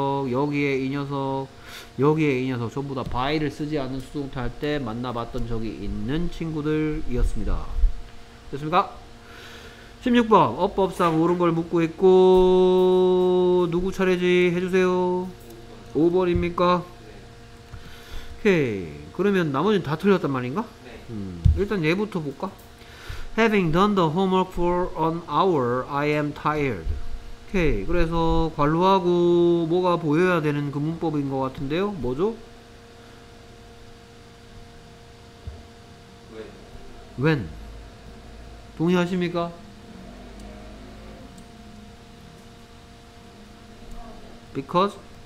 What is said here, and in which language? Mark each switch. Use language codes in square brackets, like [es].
[ko] 여기에 이 녀석 전부 다 by를 쓰지 않는 수동태 할 때 만나봤던 적이 있는 친구들이었습니다. 됐습니까? 16번 어법상 옳은 걸 묻고 있고 누구 차례지 해주세요. 5번입니까? 오케이. 그러면 나머지는 다 틀렸단 말인가? 네. 일단 얘부터 볼까? [en] Having done the homework for an hour, I am tired. [ko] 오케이. 그래서 관로하고 뭐가 보여야 되는 그 문법인 것 같은데요? 뭐죠? [en] When. [ko] 동의하십니까? 네. Because?